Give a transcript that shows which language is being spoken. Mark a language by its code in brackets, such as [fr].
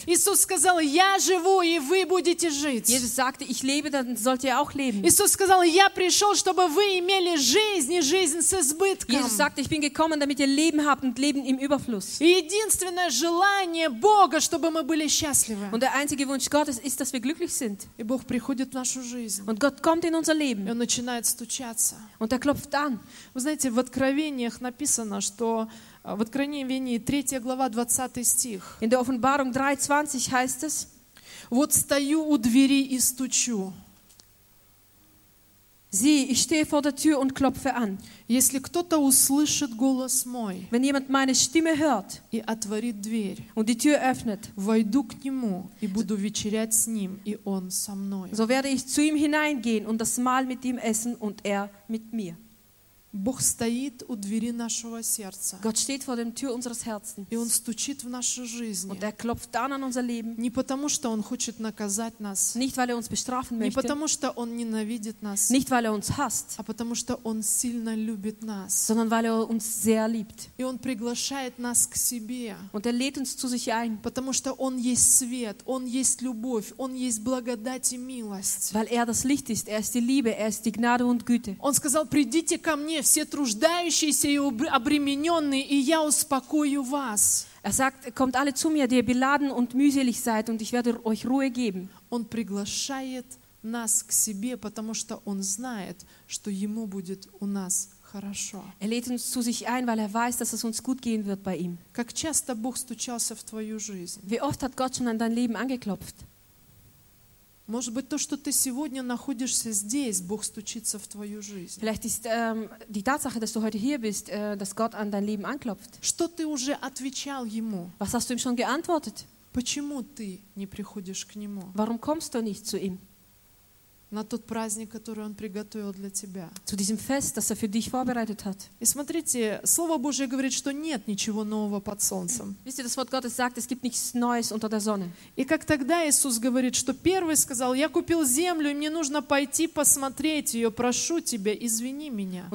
[ru] Иисус сказал, я живу, и вы будете жить. [de] Jesus sagte, ich lebe, dann sollt ihr auch leben. [ru] Иисус сказал, я пришел, чтобы вы имели жизнь и жизнь с избытком. [de] Jesus sagte, ich bin gekommen, damit ihr Leben habt und Leben im Überfluss. [ru] И единственное желание Бога, чтобы мы были счастливы. [de] Und der einzige Wunsch Gottes ist, dass wir glücklich sind. [ru] И Бог приходит в нашу жизнь. [de] Und Gott kommt in unser Leben. [ru] И он начинает стучаться. [de] Und er klopft an. [ru] Вы знаете, в Откровениях написано, что в Откровении 3 глава 20 стих. [de] In der Offenbarung 3:20 heißt es: [ru] Вот стою у двери и стучу. [de] Sieh, ich stehe vor der Tür und klopfe an. [ru] Если кто-то услышит голос мой, [de] wenn jemand meine Stimme hört, [ru] и отворит дверь, [de] und die Tür öffnet, [ru] войду к нему и буду вечерять с ним, и он со мной. [de] So werde ich zu ihm hineingehen und das Mahl mit ihm essen und er mit mir. [ru] Бог стоит у двери нашего сердца. [de] Gott steht vor der Tür unseres Herzens. [ru] И он стучит в нашу жизнь. [de] Und er klopft dann an unser Leben. [ru] Не потому, что он хочет наказать нас. [de] Nicht weil er uns bestrafen möchte. [ru] Не потому, что он ненавидит нас. [de] Nicht weil er uns hasst. [ru] А потому, что он сильно любит нас. [de] Sondern weil er uns sehr liebt. [ru] И он приглашает нас к себе. [de] Und er lädt uns zu sich ein. [ru] Потому, что он есть свет, он есть любовь, он есть благодать и милость. [de] Weil er das Licht ist, er ist die Liebe, er ist die Gnade und Güte. [ru] Он сказал: "Придите ко мне, все труждающиеся и обремененные, и я успокою вас." [de] Er sagt, kommt alle zu mir, die ihr beladen und mühselig seid, und ich werde euch Ruhe geben. [ru] Он приглашает нас к себе, потому что он знает, что ему будет у нас хорошо. [de] Er lädt uns zu sich ein, weil er weiß, dass es uns gut gehen wird bei ihm. [ru] Как часто Бог стучался в твою жизнь? [de] Wie oft hat Gott schon an dein Leben angeklopft? [ru] Может быть, то, что ты сегодня находишься здесь, Бог стучится в твою жизнь. [de] Vielleicht ist die Tatsache, dass du heute hier bist, dass Gott an dein Leben anklopft. [ru] Что ты уже отвечал ему? [de] Was hast du ihm schon geantwortet? [ru] Почему ты не приходишь к нему? [de] Warum kommst du nicht zu ihm? [ru] На тот праздник, который он приготовил для тебя. [de] Zu diesem Fest, das für dich vorbereitet hat. [ru] И смотрите, Слово Божие говорит, что нет ничего нового под солнцем. [de] Wisst ihr, das Wort Gottes sagt, es gibt nichts Neues unter der Sonne. [ru] И как тогда Иисус говорит, что первый сказал: "Я купил землю, и мне нужно пойти посмотреть ее, прошу тебя, извини меня."